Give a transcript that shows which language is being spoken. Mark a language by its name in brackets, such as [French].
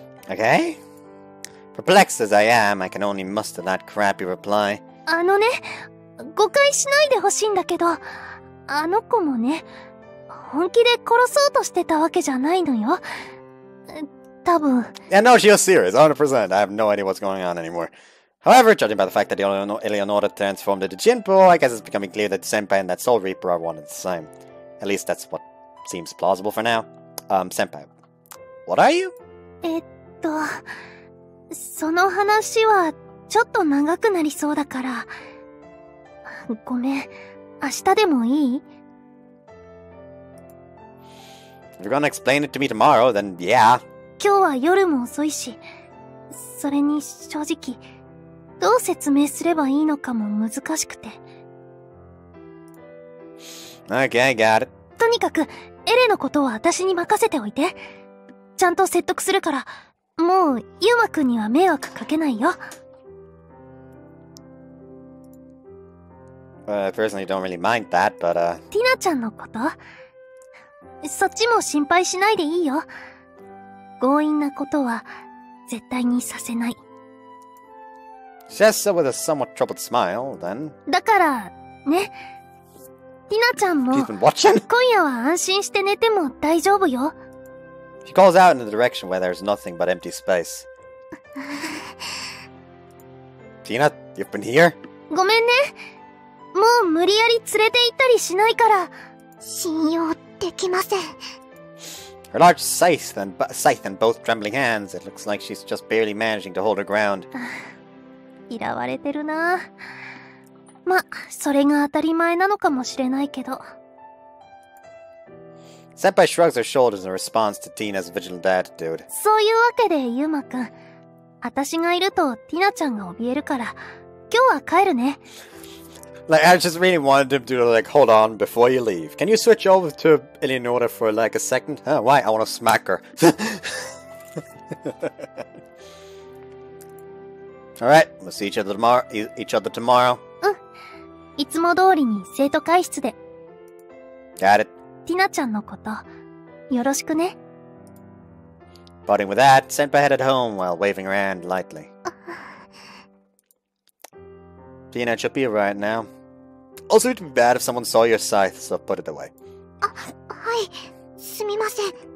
[English] Okay? Perplexed as I am, I can only muster that crappy reply. [Japanese] あのね誤解しないでほしいんだけどあの子もね本気で殺そうとしてたわけじゃないのよ [English] Yeah, no, she was serious, 100%. I have no idea what's going on anymore. However, judging by the fact that Eleonora transformed into Jinpo, I guess it's becoming clear that Senpai and that Soul Reaper are one and the same. At least that's what seems plausible for now. Senpai, what are you? [Japanese] その話はちょっと長くなりそうだから。ごめん、明日でもいい? [English] If you're gonna explain it to me tomorrow, then yeah. [Japanese] 今日は夜も遅いし、それに正直、どう説明すればいいのかも難しくて。 [English] Okay, got it. [Japanese] とにかく、エレのことは私に任せておいて。ちゃんと説得するから、もうユマ君には迷惑かけないよ。 [English] I personally don't really mind that, but, [Japanese] ティナちゃんのこと? そっちも心配しないでいいよ。強引なことは絶対にさせない。 [English] Says so with a somewhat troubled smile, then. [Japanese] だからね、ティナちゃんも今夜は安心して寝ても大丈夫よ。 [English] She calls out in the direction where there's nothing but empty space. Tina, you've been here? [Japanese] ごめんね。もう無理やり連れて行ったりしないから信用できません。 [English] Her large scythe and both trembling hands, it looks like she's just barely managing to hold her ground. [Japanese] 嫌われてるな。ま、それが当たり前なのかもしれないけど。 [English] Senpai shrugs her shoulders in response to Tina's vigilant attitude. [Japanese] そういうわけで、ユーマくん。私がいると、ティナちゃんが怯えるから、今日は帰るね。 [English] Like, I just really wanted him to, like, hold on before you leave. Can you switch over to Eleonora for, like, a second? Huh, why? I want to smack her. Alright, we'll see each other tomorrow. [Japanese] いつも通りに生徒会室で。 [English] Got it. [Japanese] ティナちゃんのことよろしくね。 [English] Parting with that, Senpai headed home while waving her hand lightly. Tina should be right now. Also, it'd be bad if someone saw your scythe, so put it away. [Japanese] はい、すみません。